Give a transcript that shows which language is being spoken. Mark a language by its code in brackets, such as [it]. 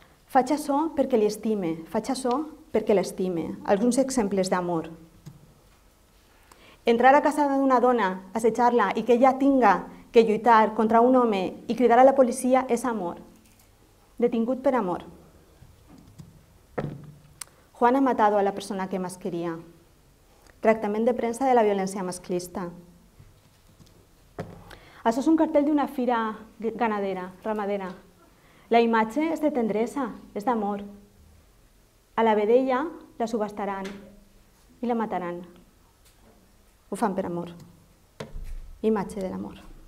[ca] Faig això perquè li estime, faig això perquè l'estime. Alguns exemples d'amor. Entrar a casa d'una dona, assetjar-la i que ella tinga que lluitar contra un home i cridar a la policia és amor. Detingut per amor. [es] Juan ha matado a la persona que más quería. [ca] Tractament de premsa de la violència masclista. Això és un cartell d'una fira ganadera, ramadera. La imatge és de tendresa, és d'amor. A la vedella la subhastaran i la mataran. Ho fan per amor. Imatge de l'amor.